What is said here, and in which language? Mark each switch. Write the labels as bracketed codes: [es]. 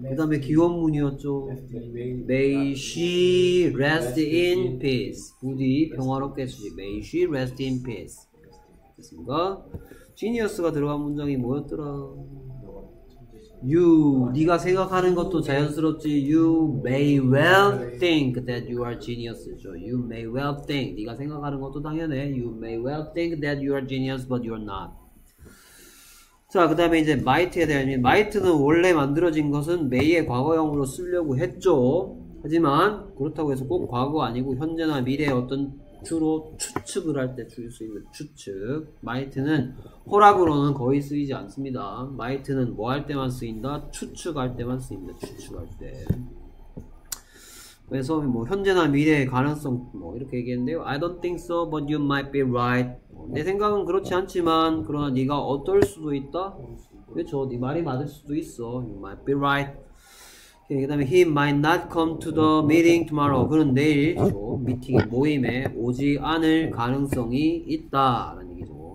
[ko] 그다음에 기원문이었죠. [en] May she rest in peace. [ko] 부디 평화롭게 쉬지. [en] May she rest in peace. [ko] 됐습니까? 지니어스가 들어간 문장이 뭐였더라? You, 네가 생각하는 것도 자연스럽지. [en] You may well think that you are genius. You may well think. [ko] 네가 생각하는 것도 당연해. [en] You may well think that you are genius, but you're not. [ko] 자, 그 다음에 이제 might에 대한, might는 원래 만들어진 것은 may의 과거형으로 쓰려고 했죠. 하지만 그렇다고 해서 꼭 과거 아니고 현재나 미래의 어떤 주로 추측을 할 때 줄 수 있는 추측. might는 허락으로는 거의 쓰이지 않습니다. might는 뭐 할 때만 쓰인다? 추측할 때만 쓰입니다. 추측할 때. 그래서 뭐 현재나 미래의 가능성 뭐 이렇게 얘기했는데요. [en] I don't think so, but you might be right. [ko] 내 생각은 그렇지 않지만 그러나 네가 어떨 수도 있다. 그렇죠. 네 말이 맞을 수도 있어. [en] You might be right. [ko] 그 다음에 [en] he might not come to the meeting tomorrow. [ko] 그는 내일 미팅 모임에 오지 않을 가능성이 있다 라는 얘기죠.